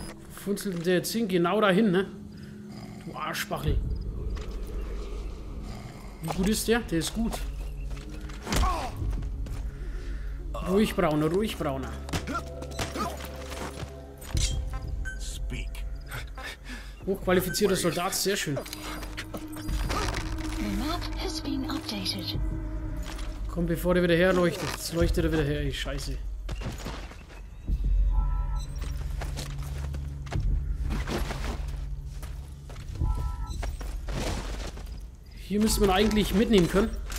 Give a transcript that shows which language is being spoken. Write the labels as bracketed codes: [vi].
[de] Funzelt der jetzt hin? Genau dahin, ne? Du Arschbachel. Wie gut ist der? Der ist gut. Ruhig, Brauner, ruhig, Brauner. [en] Speak. [de] Hochqualifizierter Soldat, sehr schön. [en] The map has been updated. [de] Komm, bevor der wieder herleuchtet. Jetzt leuchtet er wieder her, ey, scheiße. Hier müsste man eigentlich mitnehmen können.